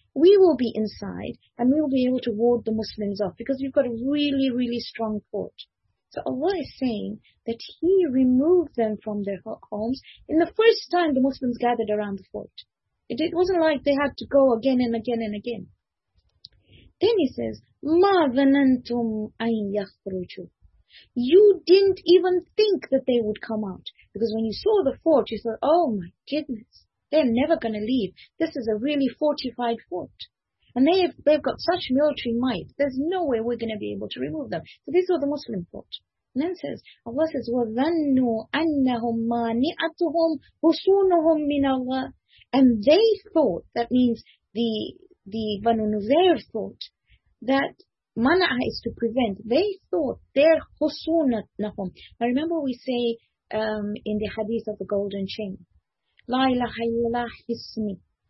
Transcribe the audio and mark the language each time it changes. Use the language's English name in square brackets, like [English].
[English] We will be inside and we will be able to ward the Muslims off because we've got a really, really strong fort. So Allah is saying that He removed them from their homes in the first time the Muslims gathered around the fort. It wasn't like they had to go again and again and again. Then He says, [Arabic] مَا ظَنَنْتُمْ أَنْ يَخْرُجُوا. [English] You didn't even think that they would come out. Because when you saw the fort, you thought, oh my goodness, they're never going to leave. This is a really fortified fort. And they've got such military might. There's no way we're going to be able to remove them. So these are the Muslim fort. And then says, Allah says, [Arabic] وَظَنُّوا أَنَّهُمْ مَانِئَتُهُمْ حُصُونُهُمْ مِنَ اللَّهِ. [English] And they thought, that means the Banu Nuzair thought, that mana'a is to prevent. They thought their husunahum. Now remember we say in the hadith of the golden chain, [Arabic] La ilaha illallah hisni.